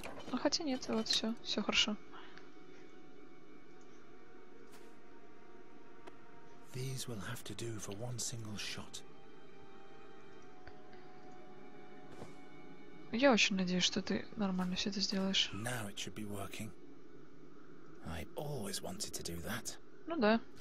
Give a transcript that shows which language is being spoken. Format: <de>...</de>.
<ru>Ну хотя нет, вот все, все хорошо.</ru> <en>These will have to do for one single shot.</en> <ru>Я очень надеюсь, что ты нормально все это сделаешь.</ru> <en>Now it should be working. I always wanted to do that.</en> <ru>Ну да.</ru>